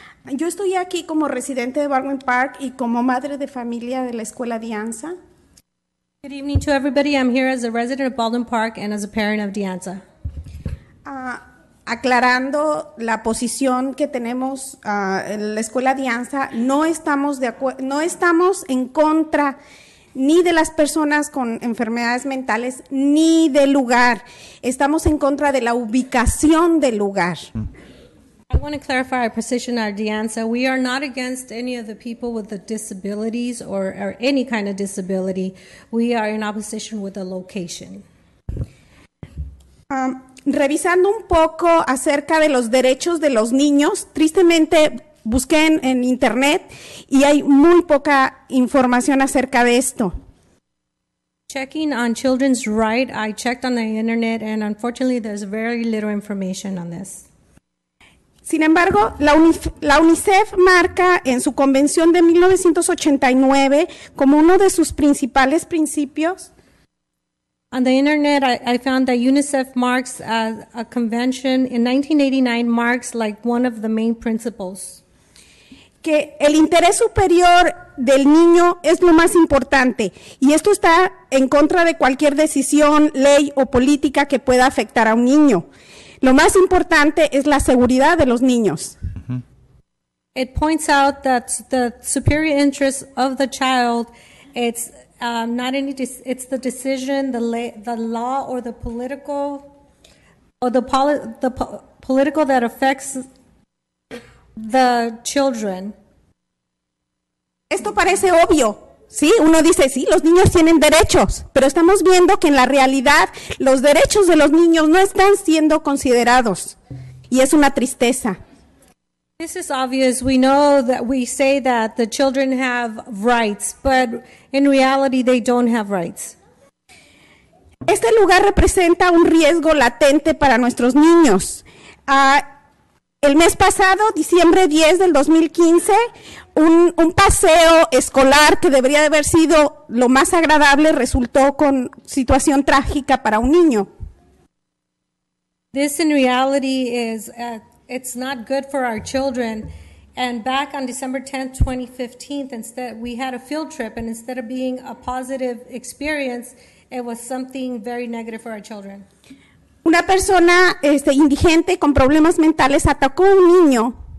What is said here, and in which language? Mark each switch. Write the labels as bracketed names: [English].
[Spanish] Yo estoy aquí como residente de Baldwin Park y como madre de familia de la escuela de ANSA. [English] Good evening to everybody. I'm here as a resident of Baldwin Park and as a parent of DeAnsa. [Spanish] Aclarando la posición que tenemos en la escuela de ANSA, no estamos en contra ni de las personas con enfermedades mentales ni del lugar. Estamos en contra de la ubicación del lugar. [English] I want to clarify our position at DeAnsa. We are not against any of the people with the disabilities or any kind of disability. We are in opposition with the location. [Spanish] Revisando un poco acerca de los derechos de los niños, tristemente busqué en internet y hay muy poca información acerca de esto. [English] Checking on children's rights, I checked on the internet and unfortunately there's very little information on this. [Spanish] Sin embargo, la UNICEF marca en su convención de 1989 como uno de sus principales principios. [English] On the internet, I found that UNICEF marks a convention in 1989 marks like one of the main principles. [Spanish] Que el interés superior del niño es lo más importante. Y esto está en contra de cualquier decisión, ley o política que pueda afectar a un niño. Lo más importante es la seguridad de los niños. Mm-hmm. [English] It points out that the superior interest of the child, it's the decision, the law or the political or the political that affects the children. [Spanish] Esto parece obvio. Sí, uno dice, sí, los niños tienen derechos, pero estamos viendo que en la realidad los derechos de los niños no están siendo considerados, y es una tristeza. [English] This is obvious. We know that we say that the children have rights, but in reality they don't have rights. [Spanish] Este lugar representa un riesgo latente para nuestros niños. El mes pasado, diciembre 10 del 2015, un paseo escolar que debería de haber sido lo más agradable resultó con situación trágica para un niño. [English] This in reality is it's not good for our children. And back on December 10th, 2015, instead we had a field trip, and instead of being a positive experience, it was something very negative for our children. [Spanish] Una persona indigente con problemas mentales atacó a un niño.